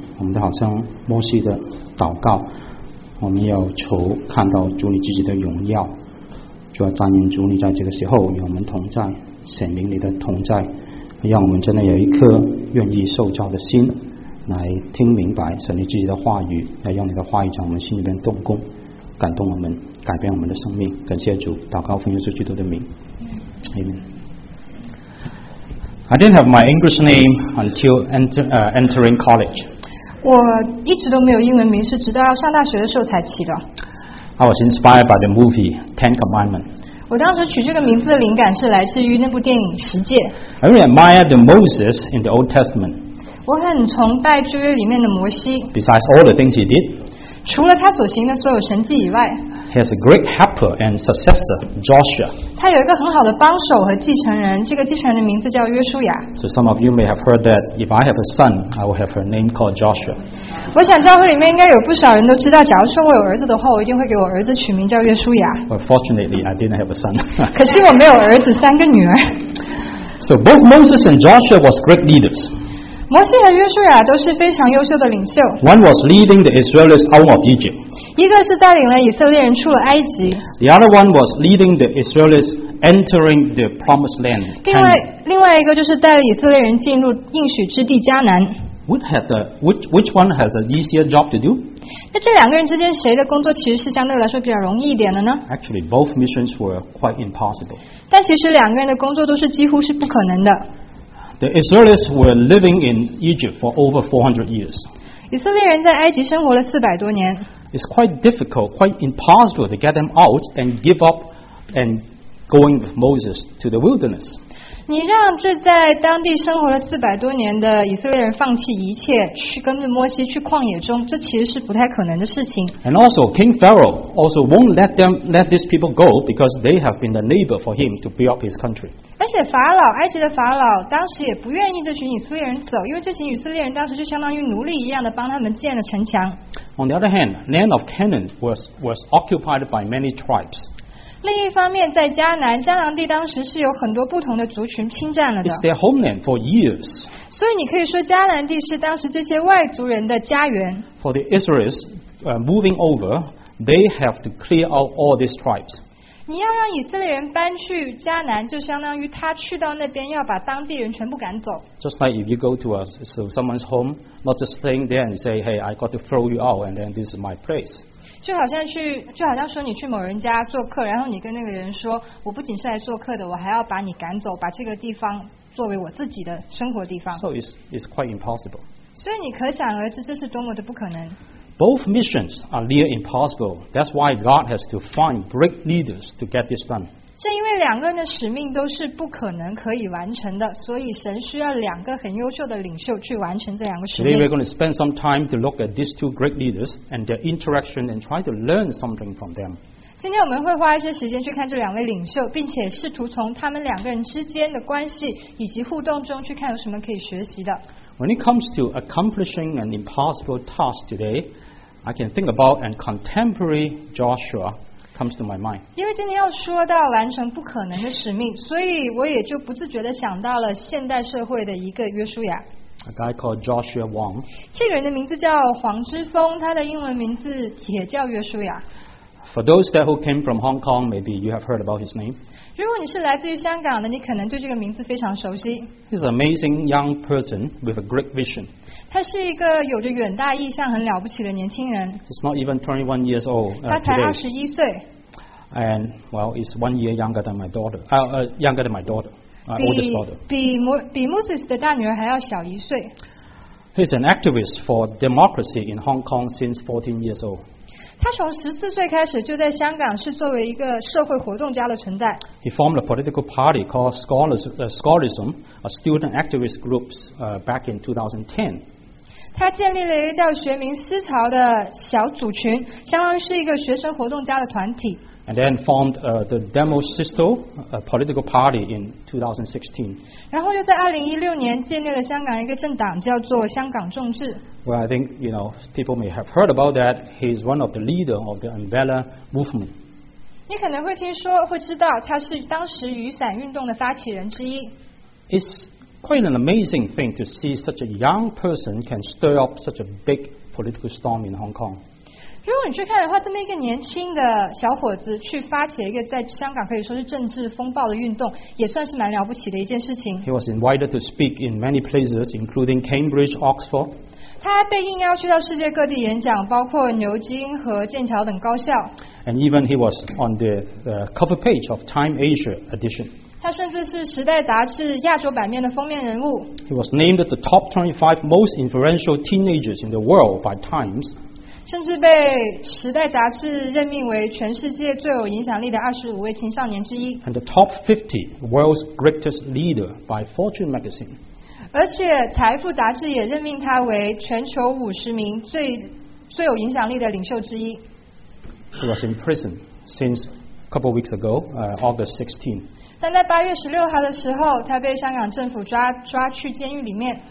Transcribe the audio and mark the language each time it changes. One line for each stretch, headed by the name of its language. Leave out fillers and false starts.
Chinese: 我们的好像摩西的祷告，我们要求看到主你自己的荣耀，主要答应主你在这个时候与我们同在，显明你的同在，让我们真的有一颗愿意受教的心，来听明白神你自己的话语，来用你的话语在我们心里面动工，感动我们，改变我们的生命。感谢主，祷告奉耶稣基督的名， Amen.
English: I didn't have my English name until entering college.
Chinese: 我一直都没有英文名，是直到要上大学的时候才起的。
English: I was inspired by the movie Ten Commandments.
Chinese: 我当时取这个名字的灵感是来自于那部电影《十诫》。
English: I really admire the Moses in the Old Testament.
Chinese: 我很崇拜旧约里面的摩西。
English: Besides all the things he did,
Chinese: 除了他所行的所有神迹以外
English: ，He has a great helper and successor, Joshua.
Chinese: 他有一个很好的帮手和继承人，这个继承人的名字叫约书亚。
English: So some of you may have heard that if I have a son, I will have a name called Joshua.
Chinese: 我想教会里面应该有不少人都知道，假如说我有儿子的话，我一定会给我儿子取名叫约书亚。
English: But fortunately, I didn't have a son.
Chinese: 可惜我没有儿子，三个女儿。
English: So both Moses and Joshua was great leaders.
Chinese: 摩西和约书亚都是非常优秀的领袖。
English: One was leading the Israelites out of Egypt.
Chinese: 一个是带领了以色列人出了埃及。
English: The other one was leading the Israelites entering the Promised Land.
Chinese: 另外一个就是带领以色列人进入应许之地迦南。
English: Which one has an easier job to do?
Chinese: 那这两个人之间谁的工作其实是相对来说比较容易一点的呢
English: ？Actually, both missions were quite impossible.
Chinese: 但其实两个人的工作都是几乎是不可能的。
English: The Israelites were living in Egypt for over 400 years.
Chinese: 以色列人在埃及生活了四百多年。
English: It's quite difficult, quite impossible to get them out and give up and going with Moses to the wilderness.
Chinese: 你让这在当地生活了四百多年的以色列人放弃一切去跟着摩西去旷野中，这其实是不太可能的事情。
English: And also, King Pharaoh also won't let these people go because they have been the neighbor for him to build up his country.
Chinese: 而且法老，埃及的法老当时也不愿意这群以色列人走，因为这群以色列人当时就相当于奴隶一样的帮他们建了城墙。
English: On the other hand, land of Canaan was occupied by many tribes.
Chinese: 另一方面，在迦南地当时是有很多不同的族群侵占了的。
English: It's their homeland for years.
Chinese: 所以你可以说迦南地是当时这些外族人的家园。
English: For the Israelites, moving over, they have to clear out all these tribes.
Chinese: 你要让以色列人搬去迦南，就相当于他去到那边要把当地人全部赶走。
English: Just like if you go to someone's home. Not just staying there and say, "Hey, I got to throw you out, and then this is my place."
Chinese: 就好像说你去某人家做客，然后你跟那个人说，我不仅是来做客的，我还要把你赶走，把这个地方作为我自己的生活地方。
English: So it's quite impossible.
Chinese: 所以你可想而知，这是多么的不可能。
English: Both missions are near impossible. That's why God has to find great leaders to get this done.
Chinese: 正因为两个人的使命都是不可能可以完成的，所以神需要两个很优秀的领袖去完成这两个使命。
English: Today we're going to spend some time to look at these two great leaders and their interaction and try to learn something from them.
Chinese: 今天我们会花一些时间去看这两位领袖，并且试图从他们两个人之间的关系以及互动中去看有什么可以学习的。
English: When it comes to accomplishing an impossible task today, I can think about a contemporary Joshua. Comes to my mind.
Chinese: 因为今天要说到完成不可能的使命，所以我也就不自觉地想到了现代社会的一个约书亚。
English: A guy called Joshua Wong.
Chinese: 这个人的名字叫黄之锋，他的英文名字也叫约书亚。
English: For those that who came from Hong Kong, maybe you have heard about his name.
Chinese: 如果你是来自于香港的，你可能对这个名字非常熟悉。
English: He's an amazing young person with a great vision.
Chinese: 他是一个有着远大意向、很了不起的年轻人。
English: He's not even 21 years old.
Chinese: 他才21岁。
English: And well, he's 1 year younger than my daughter. Younger than my daughter, my oldest daughter.
Chinese: 比 Moses 的大女儿还要小一岁。
English: He's an activist for democracy in Hong Kong since 14 years old.
Chinese: 他从14岁开始就在香港是作为一个社会活动家的存在。
English: He formed a political party called Scholarism, a student activist group, back in 2010.
Chinese: 他建立了一个叫学民思潮的小组群，相当于是一个学生活动家的团体。
English: And then formed the Demosisto, a political party in 2016.
Chinese: 然后又在2016年建立了香港一个政党，叫做香港众志。
English: Well, I think you know people may have heard about that. He is one of the leader of the umbrella movement.
Chinese: 你可能会听说，会知道他是当时雨伞运动的发起人之一。
English: It's quite an amazing thing to see such a young person can stir up such a big political storm in Hong Kong.
Chinese: 如果你去看的话，这么一个年轻的小伙子去发起了一个在香港可以说是政治风暴的运动，也算是蛮了不起的一件事情。
English: He was invited to speak in many places, including Cambridge, Oxford.
Chinese: 他被应邀去到世界各地演讲，包括牛津和剑桥等高校。
English: And even he was on the cover page of Time Asia edition.
Chinese: 他甚至是《时代》杂志亚洲版面的封面人物。
English: He was named the top 25 most influential teenagers in the world by Times.
Chinese: 甚至被《时代》杂志任命为全世界最有影响力的25位青少年之一。
English: And the top 50 world's greatest leader by Fortune magazine.
Chinese: 而且《财富》杂志也任命他为全球50名最有影响力的领袖之一。
English: He was in prison since a couple of weeks ago, August 16th.
Chinese: 但在8月16号的时候，他被香港政府抓去监狱里面。